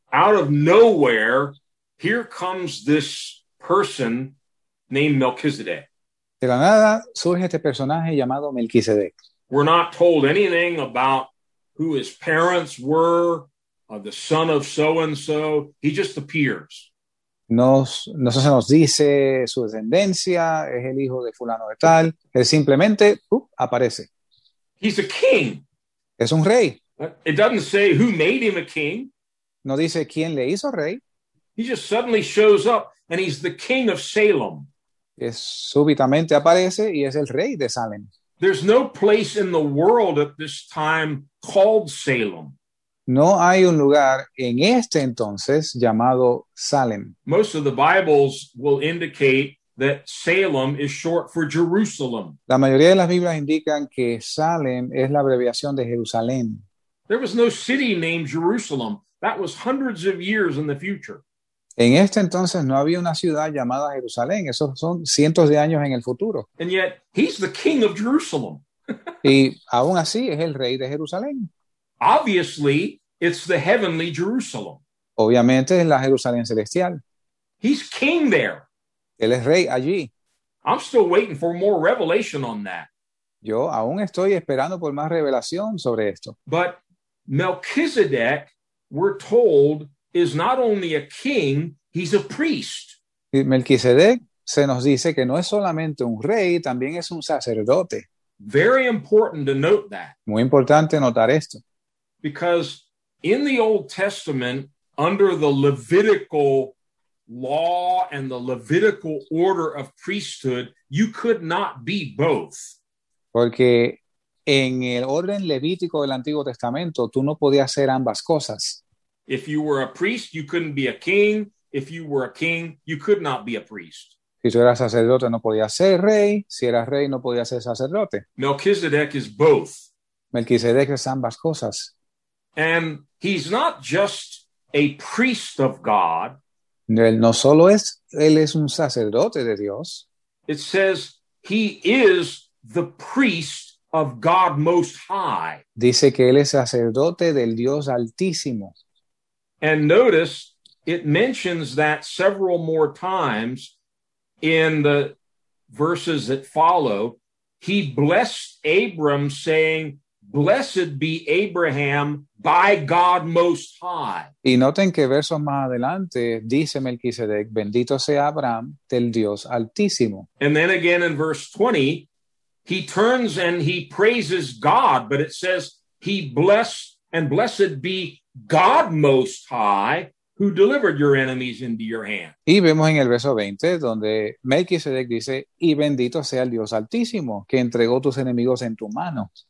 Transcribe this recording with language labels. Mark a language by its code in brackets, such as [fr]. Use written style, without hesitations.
[en] Out of nowhere, here comes this person named Melchizedek. [es] De la nada surge este personaje llamado Melquisedec. [en] We're not told anything about who his parents were, the son of so-and-so. He just appears. [es] No se nos dice su descendencia, es el hijo de fulano de tal. Él simplemente aparece. [en] He's a king. [es] Es un rey. [en] It doesn't say who made him a king. [es] No dice quién le hizo rey. [en] He just suddenly shows up and he's the king of Salem. [es] Súbitamente aparece y es el rey de Salem. [en] There's no place in the world at this time called Salem. [es] No hay un lugar en este entonces llamado Salem. [en] Most of the Bibles will indicate that Salem is short for Jerusalem. [es] La mayoría de las Biblias indican que Salem es la abreviación de Jerusalén. [en] There was no city named Jerusalem. That was hundreds of years in the future. [es] En este entonces no había una ciudad llamada Jerusalén. Esos son cientos de años en el futuro. [en] And yet, he's the king of Jerusalem. [es] Y aún así es el rey de Jerusalén. [en] Obviously, it's the heavenly Jerusalem. [es] Obviamente es la Jerusalén celestial. [en] He's king there. [es] Él es rey allí. [en] I'm still waiting for more revelation on that. [es] Yo aún estoy esperando por más revelación sobre esto. [en] But Melchizedek, we're told, is not only a king, he's a priest. [es] Melquisedec se nos dice que no es solamente un rey, también es un sacerdote. [en] Very important to note that. [es] Muy importante notar esto. [en] Because in the Old Testament, under the Levitical law and the Levitical order of priesthood, you could not be both. [es] Porque en el orden levítico del Antiguo Testamento, tú no podías ser ambas cosas. [en] If you were a priest, you couldn't be a king. If you were a king, you could not be a priest. [es] Si tú eras sacerdote, no podías ser rey. Si eras rey, no podías ser sacerdote. [en] Melchizedek is both. [es] Melquisedec es ambas cosas. [en] And he's not just a priest of God. [es] Él no solo es, él es un sacerdote de Dios. [en] It says he is the priest of God Most High. [es] Dice que él es sacerdote del Dios Altísimo. [en] And notice, it mentions that several more times in the verses that follow. He blessed Abram saying, blessed be Abraham by God Most High. [es] Y noten que versos más adelante dice Melquisedec, bendito sea Abraham del Dios Altísimo. [en] And then again in verse 20, he turns and he praises God, but it says he blessed and blessed be God Most High, who delivered your enemies into your hand. [es] Y vemos en el verso 20, donde Melquisedec dice, y bendito sea el Dios Altísimo, que entregó tus enemigos en tu mano.